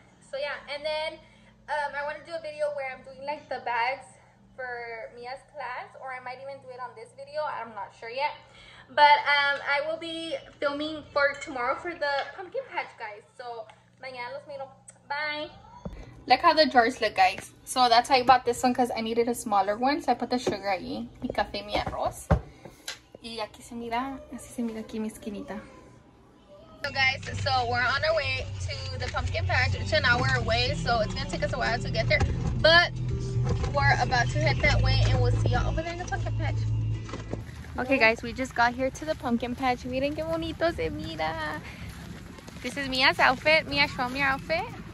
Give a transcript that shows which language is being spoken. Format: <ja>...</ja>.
<en>So yeah, and then I want to do a video where I'm doing like the bags for Mia's class, or I might even do it on this video. I'm not sure yet. But I will be filming for tomorrow for the pumpkin patch, guys. So</en> <es>mañana los miro.</es> <en>Bye. Look how the drawers look, guys. So that's why I bought this one, because I needed a smaller one. So I put the sugar</en> <es>ahí, mi café, mi arroz. Y aquí se mira, así se mira aquí mi esquinita.</es> <en>So guys, so we're on our way to the pumpkin patch. It's an hour away, so it's going to take us a while to get there. But we're about to head that way, and we'll see y'all over there in the pumpkin patch. Okay, guys, we just got here to the pumpkin patch.</en> <es>Miren qué bonito se mira.</es> <en>This is Mia's outfit. Mia, show me your outfit.</en>